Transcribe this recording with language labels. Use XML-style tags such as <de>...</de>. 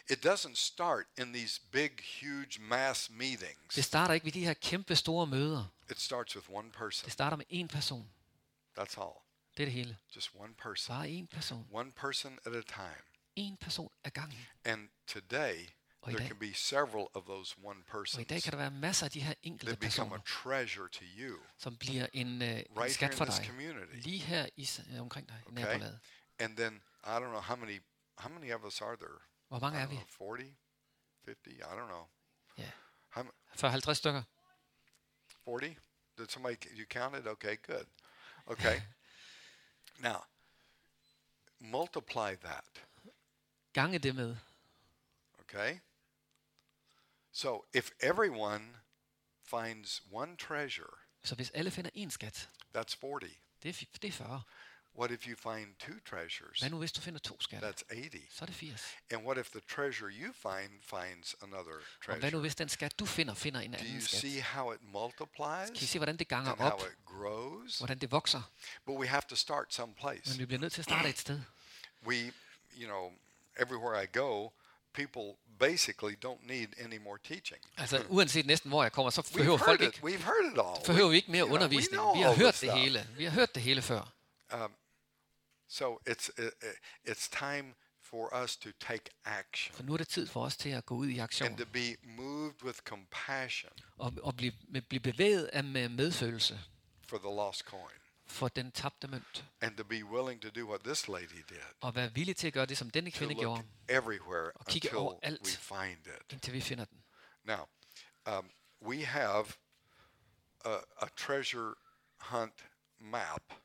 <en>It doesn't start in these big huge mass meetings.</en> <da>Det starter ikke ved de her kæmpe store møder.</da> <en>It starts with one person.</en> <da>Det starter med én person.</da> <en>That's all.</en> <da>Det er det hele.</da> <en>Just one person. Person. One person at a time.</en> <da>En person ad gangen.</da> <en>And today there can be several of those one persons.</en> <da>Og i dag kan der være masser af de her enkelte personer.</da> <en>Become a treasure to you.</en> <da>Som bliver en</da> <en>right</en> <da>skat for dig.</da> <en>Community.</en> <da>Lige her i omkring dig, okay. Nabolaget.</da> <en>And then I don't know how many of us are there.</en> <da>Hvor mange er vi?</da> <en>40? 50? I don't know.</en> <da>Yeah. 50 stykker. 40?</da> <en>Did somebody you counted? Okay, good. Okay. Now, multiply that.</en> <da>Gange det med.</da> <en>Okay. So if everyone finds one treasure,</en> <da>så hvis alle finder en skat,</da> <en>that's 40.</en> <da>Det er 40.</da> <en>What if you find two treasures?</en> <da>Hvad nu hvis du finder to skatter?</da> <en>That's 80.</en> <da>Så er det 80.</da> <en>And what if the treasure you find finds another treasure?</en> <da>Og hvad nu hvis den skat du finder en anden skat?</da> <en>Do you see how it multiplies?</en> <da>Kan I se hvordan det ganger</da> <en>op? How it grows?</en> <da>Hvordan det vokser?</da> <en>But we have to start someplace.</en> <da>Men vi bliver nødt til at starte et sted.</da> <en>We, you know, everywhere I go, people basically don't need any more teaching.</en> <da>Altså uanset næsten hvor jeg kommer, så behøver folk ikke.</da> <en>We've heard it all.</en> <da>Behøver vi ikke mere undervisning? Vi har hørt det hele. Vi har hørt det hele før.</da> <en>So it's time for us to take action.</en> <da>For nu er det tid for os til at gå ud i aktion.</da> <en>And to be moved with compassion.</en> <da>Og blive bevæget af medfølelse.</da> <en>For the lost coin.</en> <da>For den tabte mønt.</da> <en>And to be willing to do what this lady did.</en> <da>Og være villig til at gøre det som denne kvinde gjorde.</da> <en>Everywhere</en> <da>og kigge overalt</da> <en>we find it.</en> <da>Indtil vi finder den.</da> <en>Now, we have a treasure hunt map.</en>